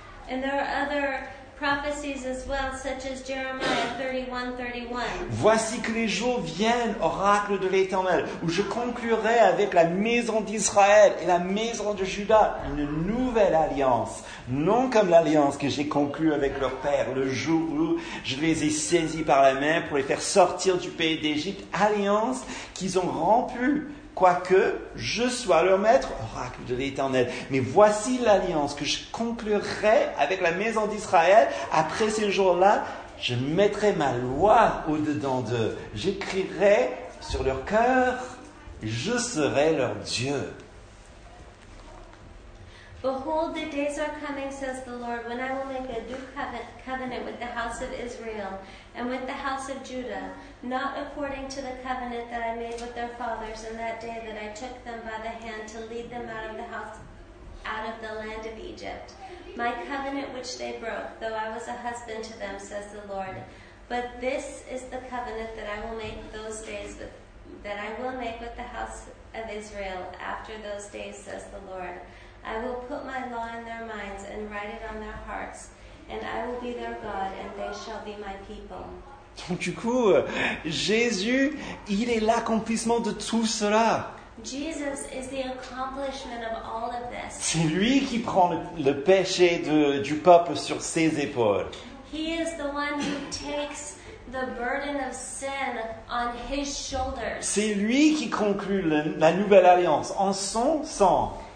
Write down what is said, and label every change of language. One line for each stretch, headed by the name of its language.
English: And there are other prophecies as well, such as Jeremiah 31:31.
French: Voici que les jours viennent, oracle de l'Éternel, où je conclurai avec la maison d'Israël et la maison de Juda une nouvelle alliance, non comme l'alliance que j'ai conclue avec leur père le jour où je les ai saisis par la main pour les faire sortir du pays d'Égypte, alliance qu'ils ont rompue. Quoique je sois leur maître, oracle de l'Éternel. Mais voici l'alliance que je conclurai avec la maison d'Israël. Après ces jours-là, je mettrai ma loi au-dedans d'eux. J'écrirai sur leur cœur, je serai leur Dieu.
English: Behold, the days are coming, says the Lord, when I will make a new covenant with the house of Israel and with the house of Judah, not according to the covenant that I made with their fathers in that day that I took them by the hand to lead them out of the house, out of the land of Egypt. My covenant which they broke, though I was a husband to them, says the Lord. But this is the covenant that I will make those days with, that I will make with the house of Israel after those days, says the Lord. I will put my law in their minds and write it on their hearts, and I will be their God, and they shall be my people.
French: Donc du coup, Jésus, il est l'accomplissement de tout cela.
English: Jesus is the accomplishment of all of this.
French: C'est lui qui prend le péché du peuple sur ses épaules.
English: He is the one who takes the burden of sin on his shoulders.
French: C'est lui qui conclut la nouvelle alliance en son sang.